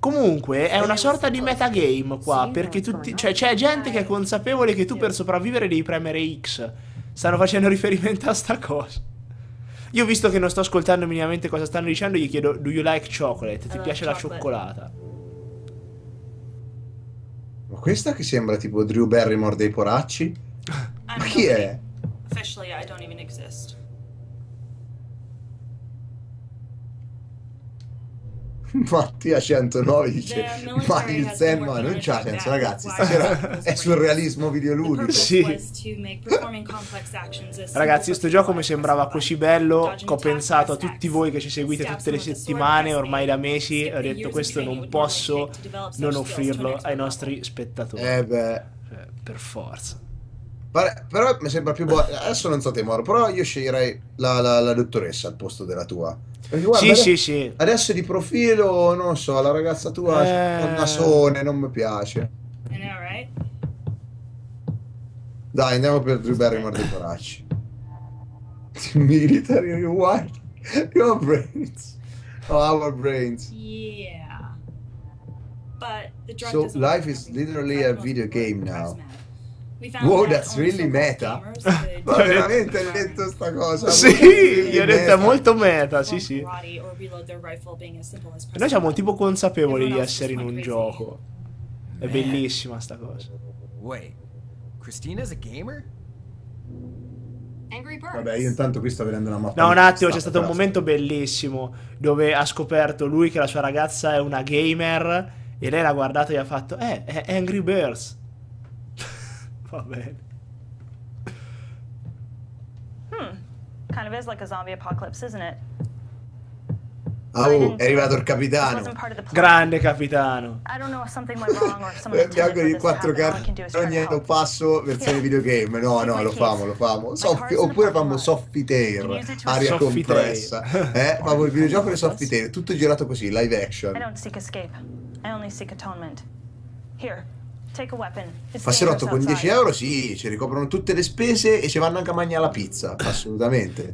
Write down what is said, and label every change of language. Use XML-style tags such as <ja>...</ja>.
<it>Comunque, è una sorta di metagame qua, perché tutti, cioè, c'è gente che è consapevole che tu per sopravvivere devi premere X. Stanno facendo riferimento a sta cosa. Io, visto che non sto ascoltando minimamente cosa stanno dicendo, gli chiedo,</it> <en>do you like chocolate?</en> <it>Ti piace la cioccolata? Ma questa che sembra tipo Drew Barrymore dei poracci? Ma chi è?</it> <en>Officially, I don't even exist.</en> <it>Mattia 109 dice, ma il Zen, ma non c'ha senso, ragazzi, stasera è surrealismo videoludico. Sì. Ragazzi, questo gioco mi sembrava così bello che ho pensato a tutti voi che ci seguite tutte le settimane, ormai da mesi, ho detto, questo non posso non offrirlo ai nostri spettatori. Eh beh, per forza. Però mi sembra più buono. Adesso non so te, Moro, però io sceglierei la dottoressa al posto della tua. Guarda, sì, adesso, sì. Adesso di profilo, non so, la ragazza tua ha un nasone, non mi piace. Dai, andiamo per Drew Barrymore dei poracci.</it> <en>Military reward. Your brains. Our brains. Yeah. So, life is literally a video game now. Wow, that's really meta.</en> <it>Ma veramente hai detto sta cosa? Sì, gli ho detto, è molto meta, sì sì. Noi siamo tipo consapevoli di essere in un gioco. È bellissima sta cosa.</it> <en>Wait, Christina's a gamer?</en> <it>Vabbè, io intanto qui sto vedendo una mappa. No, un attimo, c'è stato un momento bellissimo dove ha scoperto lui che la sua ragazza è una gamer e lei l'ha guardato e ha fatto, è Angry Birds. Va bene.</it> <en>Kind of is like a zombie apocalypse, isn't it?</en> <it>Ah, è arrivato il capitano. Grande capitano.</it> <en>I don't know if something went wrong or if someone intended for this to happen.</en> <it>Non niente, passo versione videogame. No, no, lo famo. Oppure famo Softair, aria compressa. Famo il videogioco di Softair, tutto girato così, live action.</it> <en>I don't seek escape. I only seek atonement. Here. Take a weapon.</en> <it>Passerotto con 10 euro, sì, ci ricoprono tutte le spese e ci vanno anche a mangiare la pizza, assolutamente.</it>